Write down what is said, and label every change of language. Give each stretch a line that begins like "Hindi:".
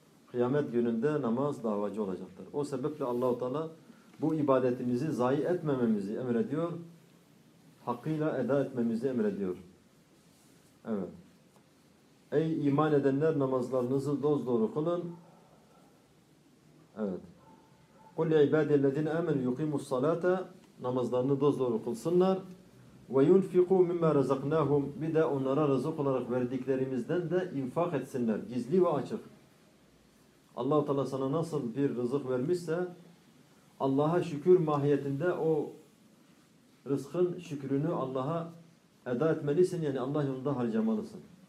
Turkish: Kıyamet gününde namaz davacı olacaktır. O sebeple Allah-u Teala bu ibadetimizi zayi etmememizi emrediyor. Hakkıyla eda etmemizi emrediyor. Evet. Ey iman edenler, namazlarınızı dosdoğru kılın. Evet.
Arabic: قُلْ لِعِبَادِ الَّذِينَ اَمَنُوا يُقِيمُوا الصَّلَاةَ
Turkish: Namazlarını dosdoğru kılsınlar.
Arabic: وَيُنْفِقُوا مِمَّا رَزَقْنَاهُمْ
Turkish: Bir de onlara rızık olarak verdiklerimizden de infak etsinler. Gizli ve açık. Allah-u Teala sana nasıl bir rızık vermişse Allah'a şükür mahiyetinde o rızkın şükrünü Allah'a eda etmelisin, yani Allah yolunda harcamalısın.